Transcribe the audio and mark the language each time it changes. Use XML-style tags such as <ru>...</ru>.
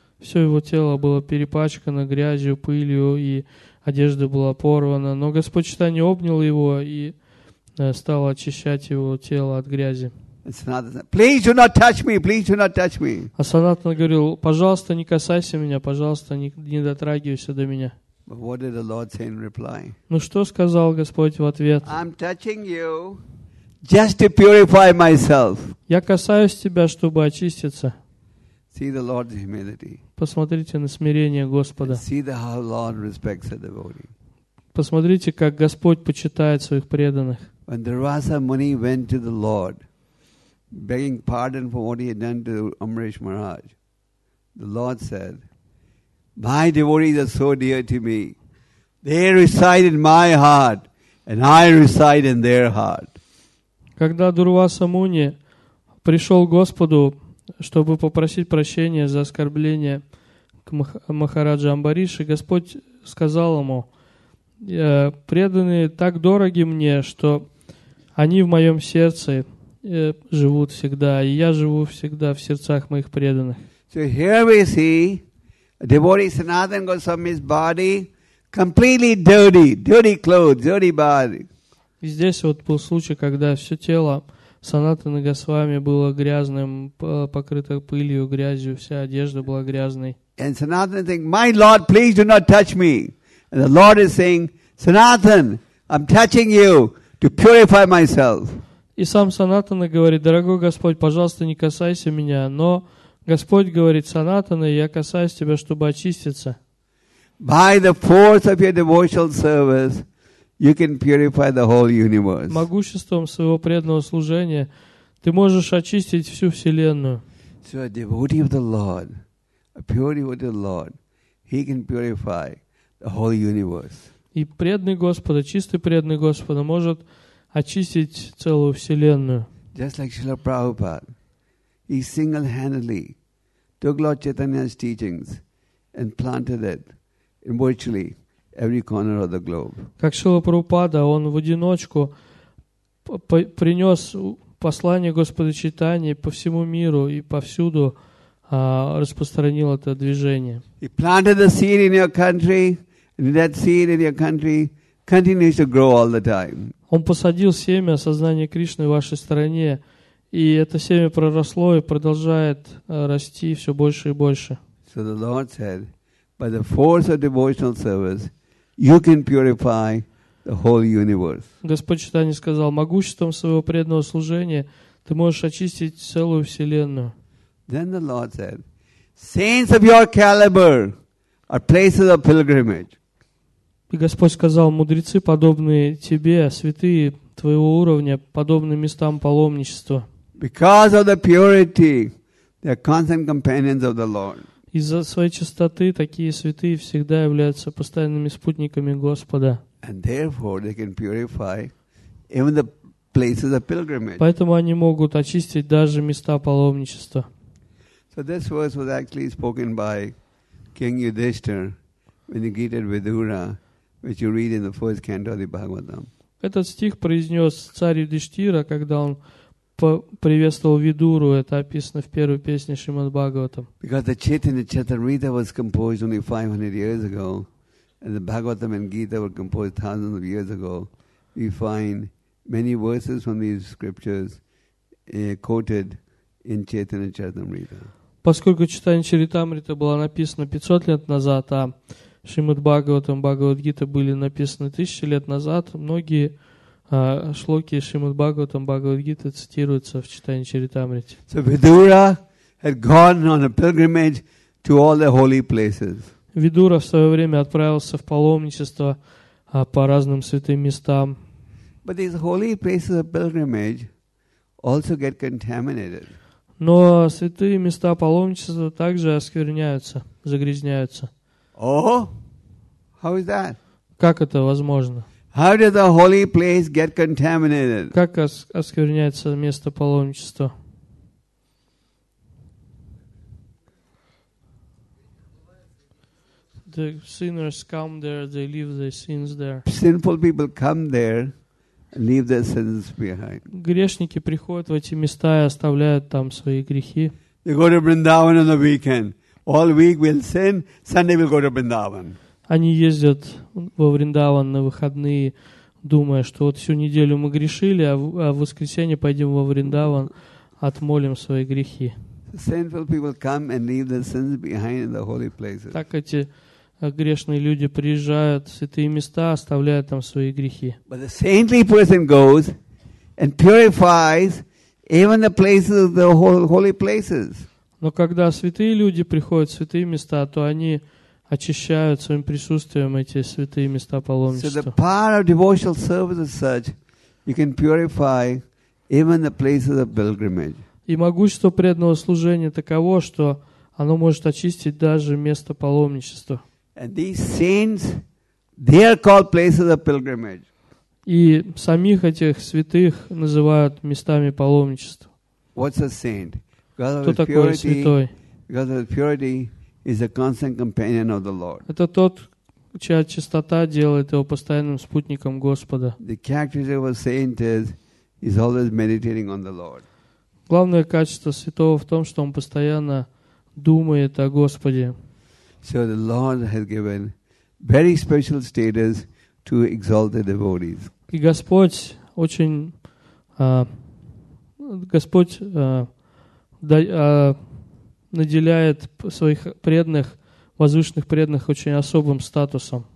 <ru>Все его тело было перепачкано грязью, пылью, и одежда была порвана. Но Господь Чайтанья обнял его и стал очищать его тело от грязи.</ru> <en>Please do not touch me, please do not touch me.</en> <ru>А Санатана говорил, пожалуйста, не касайся меня, пожалуйста, не дотрагивайся до меня.</ru> <en>But what did the Lord say in reply?</en> <ru>Ну что сказал Господь в ответ?</ru> <en>I'm touching you just to purify myself.</en> <ru>Я касаюсь тебя, чтобы очиститься.</ru> <en>See the Lord's humility.</en> <ru>Посмотрите на смирение Господа.</ru> <en>See the how Lord respects the devotee.</en> <ru>Посмотрите, как Господь почитает своих преданных.</ru> <en>When Durvasa Muni went to the Lord, begging pardon for what he had done to Amrish Maharaj, the Lord said, "My devotees are so dear to me; they reside in my heart, and I reside in their heart."</en> <ru>Когда Дурваса Муни пришел к Господу, чтобы попросить прощения за оскорбление к Махараджа Амбариши, Господь сказал ему: "Преданные так дороги мне, что они в моем сердце живут всегда, и я живу всегда в сердцах моих преданных."</ru> <en>So here we see a devotee Sanatana Goswami's body completely dirty, dirty clothes, dirty body.</en> <ru>И здесь вот был случай, когда все тело Санатаны Госвами было грязным, покрыто пылью, грязью, вся одежда была грязной.</ru> <en>And Sanatana think, "My Lord, please do not touch me." And the Lord is saying, "Sanatan, I'm touching you to purify myself."</en> <ru>И сам Санатана говорит, дорогой Господь, пожалуйста, не касайся меня. Но Господь говорит, Санатана, я касаюсь тебя, чтобы очиститься.</ru> <en>By the force of your devotional service, you can purify the whole universe.</en> <ru>Могуществом своего преданного служения ты можешь очистить всю вселенную.</ru> <en>So a devotee of the Lord, a pure devotee of the Lord, he can purify the whole universe.</en> <ru>И преданный Господа, чистый преданный Господа может очистить целую вселенную.</ru> <en>Just like Srila Prabhupada, he single-handedly took Lord Chaitanya's teachings and planted it in virtually every corner of the globe.</en> <ru>Как Шрила Прабхупада, он в одиночку принес послание Господа Чайтаньи по всему миру и повсюду распространил это движение.</ru> <en>He planted the seed in your country, and that seed in your country continues to grow all the time.</en> <ru>Он посадил семя сознания Кришны в вашей стране, и это семя проросло и продолжает расти все больше и больше.</ru> <en>So the Lord said, by the force of devotional service, you can purify the whole universe.</en> <ru>Господь Читания сказал, могуществом своего преданного служения ты можешь очистить целую вселенную.</ru> <en>Then the Lord said, saints of your caliber are places of pilgrimage.</en> <ru>И Господь сказал, мудрецы, подобные тебе, святые твоего уровня, подобны местам паломничества.</ru> <en>Because of the purity, they are constant companions of the Lord.</en> <ru>Из-за своей чистоты такие святые всегда являются постоянными спутниками Господа.</ru> <en>And therefore they can purify even the places of pilgrimage.</en> <ru>Поэтому они могут очистить даже места паломничества.</ru> <en>So this verse was actually spoken by King Yudhishthir when he greeted Vidura, which you read in the first canto of the Bhagavatam.</en> <ru>Этот стих произнес царь Юдиштхира, когда он приветствовал Видуру. Это описано в первой песне Шримад Бхагаватам.</ru> <en>Because the Chaitanya Charitamrita was composed only 500 years ago, and the Bhagavatam and Gita were composed thousands of years ago, we find many verses from these scriptures quoted in Chaitanya Charitamrita.</en> <ru>Поскольку Читание Чаритамрита было написано 500 лет назад, а Шримад Бхагаватам, Бхагавадгита были написаны 1000 лет назад, многие шлоки Шримад Бхагаватам, Бхагавадгита цитируются в Читании Чаритамрите.</ru> <en>So Vidura had gone on a pilgrimage to all the holy places.</en> <ru>Видура в свое время отправился в паломничество по разным святым местам.</ru> <en>But these holy places of pilgrimage also get contaminated.</en> <ru>Но святые места паломничества также оскверняются, загрязняются.</ru> <en>Oh, how is that?</en> <ru>Как это возможно?</ru> <en>How did the holy place get contaminated?</en> <ru>Как оскверняется место паломничества?</ru> <en>The sinners come there, they leave their sins there. Sinful people come there, leave their sins behind.</en> <ru>Грешники приходят в эти места и оставляют там свои грехи.</ru> <en>They go to Vrindavan on the weekend. All week we'll sin, Sunday we'll go to Vrindavan.</en> <ru>Они ездят во Вриндаван на выходные, думая, что вот всю неделю мы грешили, а в воскресенье пойдем во Вриндаван, отмолим свои грехи.</ru> <en>Sinful people come and leave their sins behind in the holy places.</en> <ru>Так эти грешные люди приезжают в святые места, оставляют там свои грехи.</ru> <en>But the saintly person goes and purifies even the places of the holy places.</en> <ru>Но когда святые люди приходят в святые места, то они очищают своим присутствием эти святые места паломничества.</ru> <en>So the power of devotional service is such, you can purify even the places of pilgrimage.</en> <ru>И могущество преданного служения таково, что оно может очистить даже место паломничества.</ru> <en>And these saints, they are called places of pilgrimage.</en> <ru>И самих этих святых называют местами паломничества.</ru> <en>What's a saint?</en> <ru>Кто такой святой?</ru> <en>God of purity is a constant companion of the Lord.</en> <ru>Это тот, чья чистота делает его постоянным спутником Господа.</ru> <en>The characteristic of a saint is he's always meditating on the Lord.</en> <ru>Главное качество святого в том, что он постоянно думает о Господе.</ru> <en>So the Lord has given very special status to exalted devotees.</en> <ru>И Господь очень наделяет своих преданных, возвышенных преданных очень особым статусом.</ru>